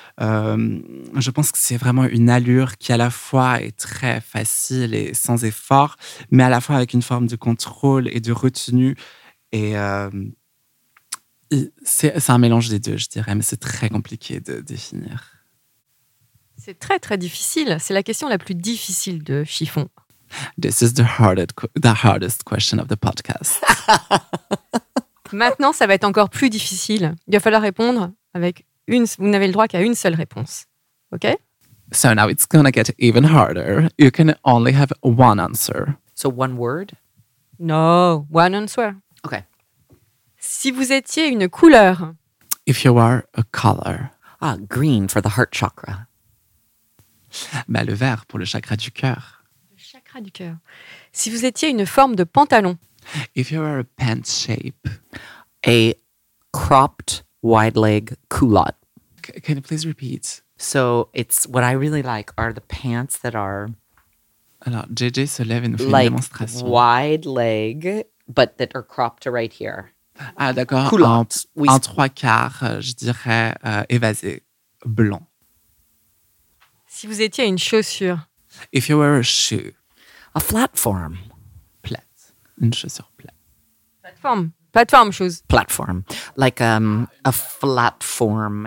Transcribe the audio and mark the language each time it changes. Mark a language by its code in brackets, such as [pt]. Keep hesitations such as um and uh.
[fr] Euh, je pense que c'est vraiment une allure qui à la fois est très facile et sans effort, mais à la fois avec une forme de contrôle et de retenue. Et c'est un mélange des deux, je dirais, mais c'est très compliqué de définir. C'est très, très difficile. C'est la question la plus difficile de chiffon. This is the, harded, the hardest, question of the podcast. Maintenant, ça va être encore plus difficile. Il va falloir répondre avec une. Vous n'avez le droit qu'à une seule réponse. OK? [en] So now it's going get even harder. You can only have one answer. So one word? No, one answer. [fr] OK si vous étiez une couleur. [en] If you were a color. Ah, green for the heart chakra. [fr] Bah, le vert pour le chakra du cœur. Le chakra du cœur. Si vous étiez une forme de pantalon. [en] If you were a pant shape. A cropped wide leg culotte. C can you please repeat? So it's what I really like are the pants that are. [fr] Alors, JJ se lève et nous like fait une démonstration. [en] Wide leg, but that are cropped right here. [fr] Ah, d'accord. Un, cool. oui. En trois quarts, je dirais, euh, évasé, blanc. Si vous étiez une chaussure. [en] If you were a shoe. A platform. [fr] Plate. Une chaussure plate. [en] Platform. Platform shoes. Platform. Like um, a platform.